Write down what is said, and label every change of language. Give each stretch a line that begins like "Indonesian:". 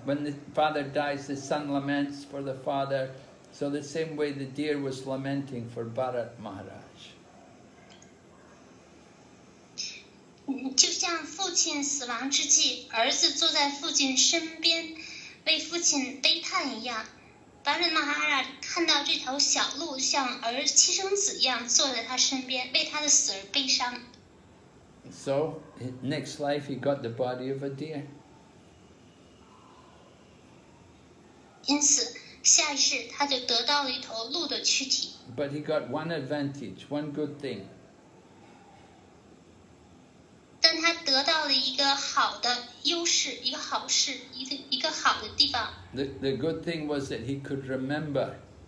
English: When the father dies, the son laments for the father. So the same way the deer was lamenting for Bharat Maharaj.
Chinese: 就像父亲死亡之际，儿子坐在父亲身边，为父亲悲叹一样。 Bharat Maharaj 看到这条小鹿像儿亲生子一样坐在他身边，为他的死而悲伤。
English: So, next life he got the body of a deer.
Chinese: 因此，下一世他就得到了一头鹿的躯体。
English: But he got one advantage, one good thing.
Chinese: 但他得到了一个好的优势，一个好事，一个好的地方。
English: The good thing was that he could remember.